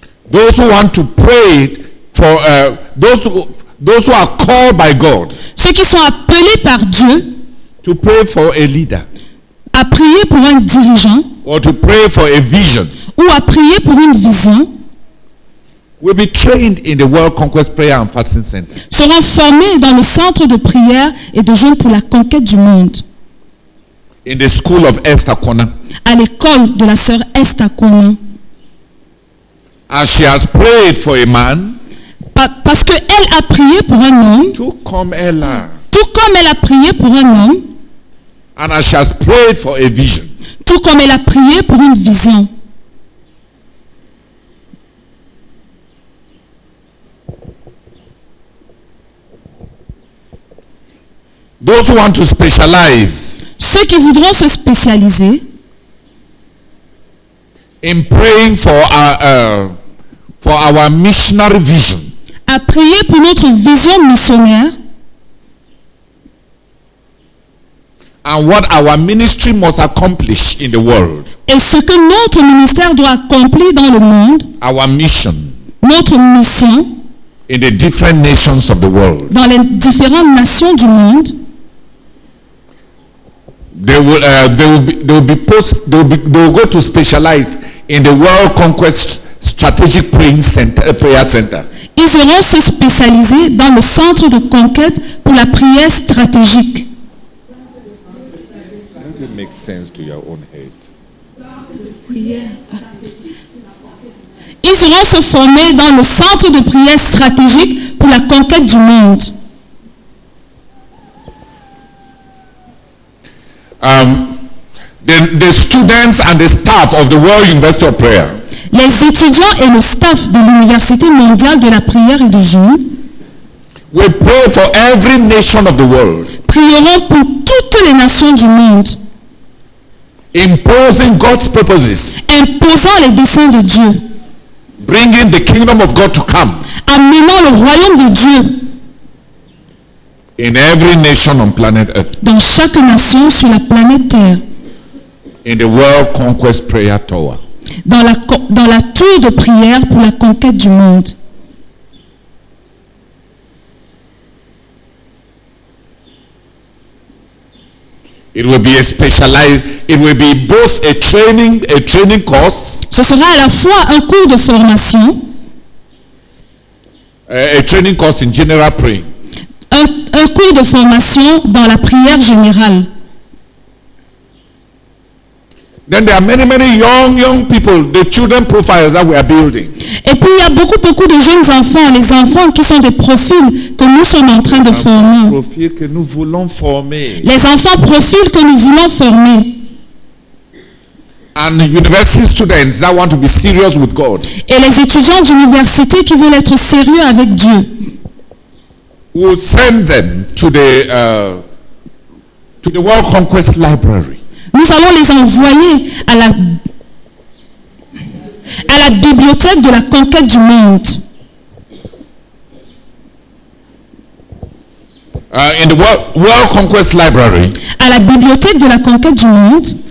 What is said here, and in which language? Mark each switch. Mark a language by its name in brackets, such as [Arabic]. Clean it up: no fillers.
[English] those who want to pray for those who are called by God, [French] ceux qui sont appelés par Dieu, [English] to pray for a leader, [French] à prier pour un dirigeant, [English] or to pray for a vision, [French] ou à prier pour une vision, [English] will be trained in the World Conquest Prayer and Fasting Center. [French] Seront formés dans le centre de prière et de jeûne pour la conquête du monde. [English] In the school of Esther Kona. [French] À l'école de la sœur Esther Kona. [English] As she has prayed for a man, [French] parce que elle a prié pour un homme, tout comme elle a prié pour un homme. [English] And as she has prayed for a vision. [French] Tout comme elle a prié pour une vision. [English] Those who want to specialize. [French] Ceux qui voudront se spécialiser. [English] In praying for our missionary vision. [French] À prier pour notre vision missionnaire. [English] And what our ministry must accomplish in the world. [French] Et ce que notre ministère doit accomplir dans le monde. [English] Our mission. [French] Notre mission. [English] In the different nations of the world. [French] Dans les différentes nations du monde. [English] They will go to specialize in the World Conquest Strategic Prayer Center. [French] Ils auront se spécialiser dans le centre de conquête pour la prière stratégique. [English] Does it make sense to your own head? [French] Ils auront se former dans le centre de prière stratégique pour la conquête du monde. [English] The students and the staff of the World University of Prayer. [French] Les étudiants et le staff de l'Université mondiale de la prière et du jeûne. [English] We pray for every nation of the world. [French] Prieront pour toutes les nations du monde. [English] Imposing God's purposes. [French] Imposant les desseins de Dieu. [English] Bringing the kingdom of God to come. [French] Amenant le royaume de Dieu. [English] In every nation on planet Earth. [French] Dans chaque nation sur la planète Terre. [English] In the World Conquest Prayer Tower. [French] Dans la tour de prière pour la conquête du monde. [English] It will be a specialized. It will be both a training course. [French] Ce sera à la fois un cours de formation. [English] A training course in general prayer. [French] Un cours de formation dans la prière générale. [English] Then there are many, many young people, the children profiles that we are building. [French] Et puis il y a beaucoup de jeunes enfants, les enfants qui sont des profils que nous sommes en train de former. Profils que nous voulons former. Les enfants profils que nous voulons former. [English] And university students that want to be serious with God. [French] Et les étudiants d'université qui veulent être sérieux avec Dieu. [English] We'll send them to the World Conquest Library. [French] Nous allons les envoyer à la bibliothèque de la conquête du monde. [English] In the World Conquest Library. [French] À la bibliothèque de la conquête du monde.